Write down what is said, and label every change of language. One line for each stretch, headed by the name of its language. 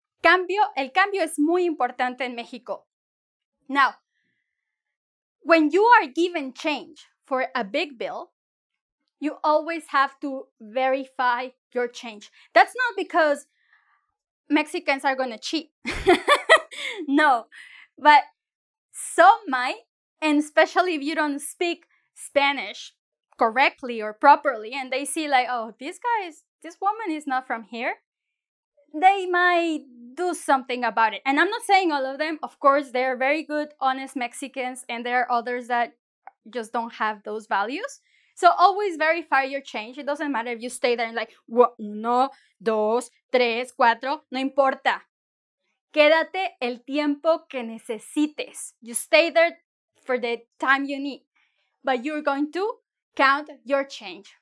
Spanish: Cambio, el cambio es muy importante en México.
English: Now, when you are given change for a big bill, you always have to verify your change. That's not because Mexicans are gonna cheat. No, but some might, and especially if you don't speak Spanish correctly or properly, and they see like, oh, this woman is not from here, they might do something about it. And I'm not saying all of them. Of course, they're very good, honest Mexicans, and there are others that just don't have those values. So always verify your change. It doesn't matter if you stay there and like,
Spanish: uno, dos, tres, cuatro, no importa. Quédate el tiempo que necesites.
English: You stay there for the time you need. But you're going to count your change.